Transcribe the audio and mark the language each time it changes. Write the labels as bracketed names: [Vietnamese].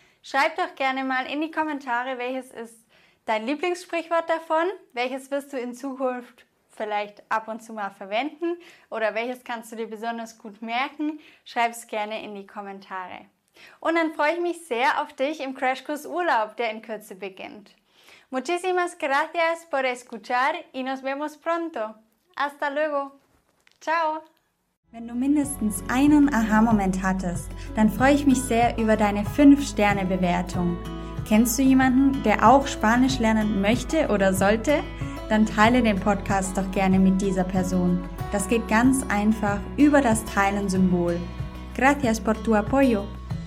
[German] Schreib doch gerne mal in die Kommentare, welches ist dein Lieblingssprichwort davon? Welches wirst du in Zukunft vielleicht ab und zu mal verwenden? Oder welches kannst du dir besonders gut merken? Schreib es gerne in die Kommentare. Und dann freue ich mich sehr auf dich im Crashkurs Urlaub, der in Kürze beginnt. [Spanish] Muchísimas gracias por escuchar y nos vemos pronto. Hasta luego. Ciao. [German] Wenn du mindestens einen Aha-Moment hattest, dann freue ich mich sehr über deine 5-Sterne-Bewertung. Kennst du jemanden, der auch Spanisch lernen möchte oder sollte? Dann teile den Podcast doch gerne mit dieser Person. Das geht ganz einfach über das Teilen-Symbol. [Spanish] Gracias por tu apoyo.